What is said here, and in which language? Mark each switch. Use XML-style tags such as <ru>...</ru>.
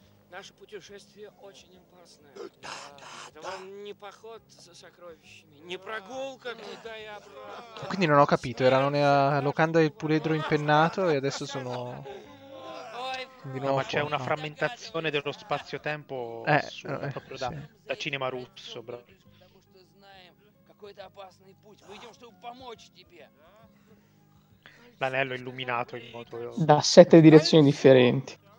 <ru>Наше путешествие очень опасное. Это вам не поход за сокровищами, не прогулка туда и обратно.</ru> <it>Quindi non ho capito, erano nella locanda del puledro impennato e adesso sono. No, ma c'è una frammentazione dello spazio-tempo proprio da, sì. Da cinema russo, bro.</it> <ru>Потому что знаем, какой-то опасный путь. Мы идем, чтобы помочь тебе.</ru> <it>L'anello illuminato in modo... Da sette direzioni differenti.</it>